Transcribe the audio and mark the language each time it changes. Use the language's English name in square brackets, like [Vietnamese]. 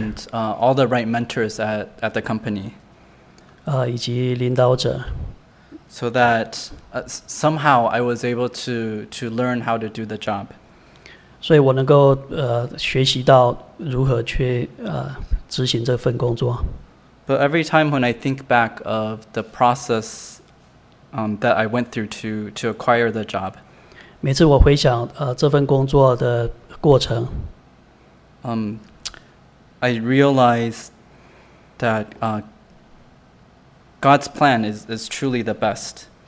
[English] and all the right mentors at the company. [Chinese] 以及领导者 [English] so that somehow I was able to learn how to do the job. [Chinese] 所以我能够学习到如何去执行这份工作。 [English] But every time when I think back of the process that I went through to acquire the job, [Chinese] 每次我回想这份工作的过程 [English] I realize that God's plan is truly the best.